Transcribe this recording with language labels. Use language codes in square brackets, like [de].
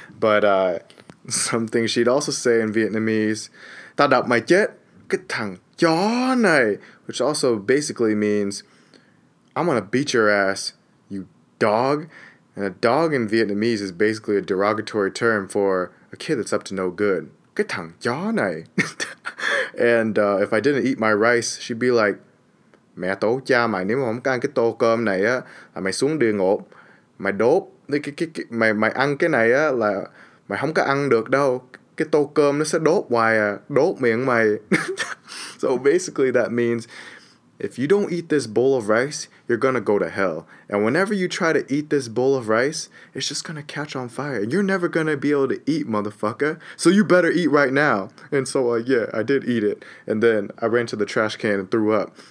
[en] But something she'd also say in Vietnamese, [vi] ta đọc mày chết, cái thằng chó này, [en] which also basically means, I'm gonna beat your ass, you dog. And a dog in Vietnamese is basically a derogatory term for a kid that's up to no good. [vi] Cái thằng chó này. [en] And if I didn't eat my rice, she'd be like, [vi] mẹ tổ cha mày, nếu mà không ăn cái tô cơm này á, là mày xuống địa ngục, mày đốt, mày ăn cái này á, là mày không có ăn được đâu, cái tô cơm nó sẽ đốt hoài à, đốt miệng mày. [en] So basically that means, if you don't eat this bowl of rice, you're gonna go to hell. And whenever you try to eat this bowl of rice, it's just gonna catch on fire. You're never gonna be able to eat, motherfucker. So you better eat right now. And so, yeah, I did eat it. And then I ran to the trash can and threw up.